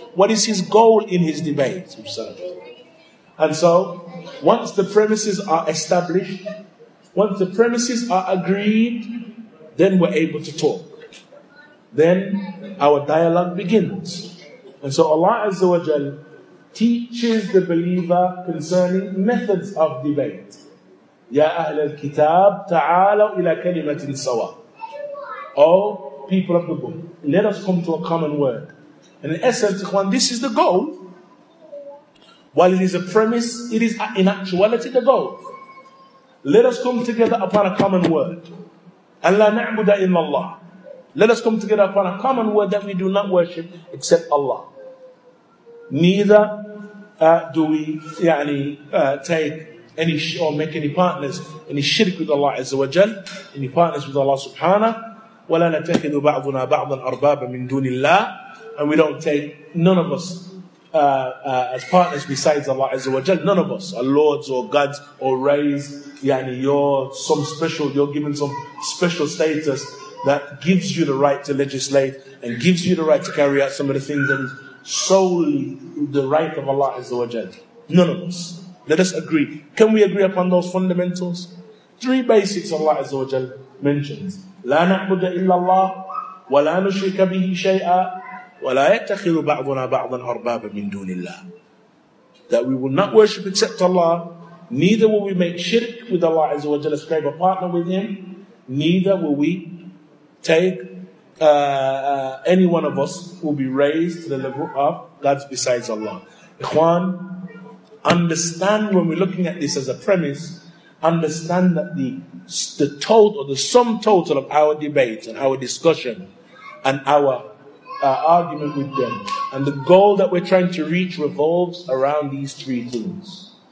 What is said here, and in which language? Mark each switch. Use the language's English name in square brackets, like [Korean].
[English] What is his goal in his debate? And so, once the premises are established, once the premises are agreed, then we're able to talk. Then our dialogue begins. And so Allah Azza wa Jal teaches the believer concerning methods of debate. [Arabic] Ya أهل الكتاب تعالوا إلى كلمة سواء. [English] Oh, people of the book, let us come to a common word. And in essence, ikhwan, this is the goal. While it is a premise, it is in actuality the goal. Let us come together upon a common word. [Arabic] لا نعبد إلا الله. [English] Let us come together upon a common word that we do not worship except Allah. Neither do we take any or make any partners, any shirk with Allah Azza wa Jal, any partners with Allah Subhanahu. [Arabic] ولا نتخذ بعضنا بعضا أربابا من دون الله. [English] And we don't take none of us as partners besides Allah Azza wa Jal. None of us are lords or gods or rays. Yani you're given some special status that gives you the right to legislate and gives you the right to carry out some of the things that is solely the right of Allah Azza wa Jal. None of us. Let us agree. Can we agree upon those fundamentals? Three basics Allah Azza wa Jal mentions. [Arabic] لا نعبد إلا الله ولا نشرك به شيئا ولا يتخذ بعضنا بعضا أربابا من دون الله. [English] That we will not worship except Allah, neither will we make shirk with Allah Azza wa Jal, ascribe a partner with Him, neither will we take any one of us will be raised to the level of gods besides Allah. Ikhwan, understand when we're looking at this as a premise, understand that the sum total of our debate and our discussion and our argument with them and the goal that we're trying to reach revolves around these three things.